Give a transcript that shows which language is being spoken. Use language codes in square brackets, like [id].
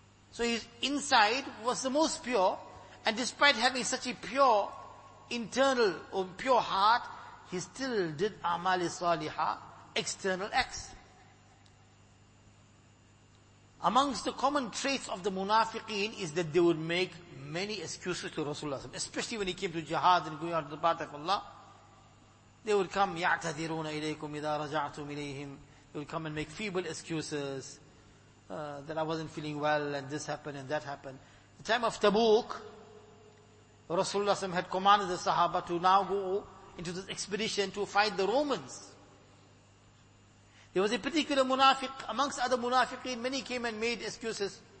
[en] So his inside was the most pure, and despite having such a pure internal or pure heart, he still did amal salihah, external acts. Amongst the common traits of the munafiqeen is that they would make many excuses to Rasulullah, especially when he came to jihad and going out to the path of Allah. They would come, [ar] يَعْتَذِرُونَ إِلَيْكُمْ إِذَا رَجَعْتُمْ إِلَيْهِمْ. [en] They would come and make feeble excuses, that I wasn't feeling well and this happened and that happened. The time of Tabuk, Rasulullah had commanded the Sahaba to now go into this expedition to fight the Romans. There was a particular munafiq, amongst other munafiqeen, many came and made excuses.